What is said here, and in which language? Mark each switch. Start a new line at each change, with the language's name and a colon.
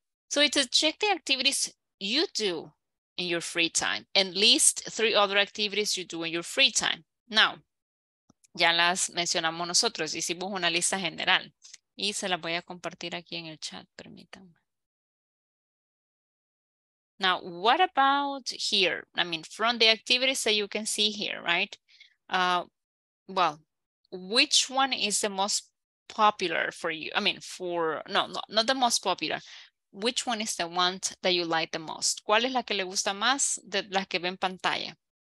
English: So it's a check the activities you do in your free time and list three other activities you do in your free time.
Spanish: Now, ya las mencionamos nosotros, hicimos una lista general y se las voy a compartir aquí en el chat, permítanme.
English: Now, what about here? I mean, from the activities that you can see here, right? Well, which one is the most popular for you? I mean, not the most popular. Which one is the one that you like the most?
Spanish: ¿Cuál es la que le gusta más de las que ve en pantalla?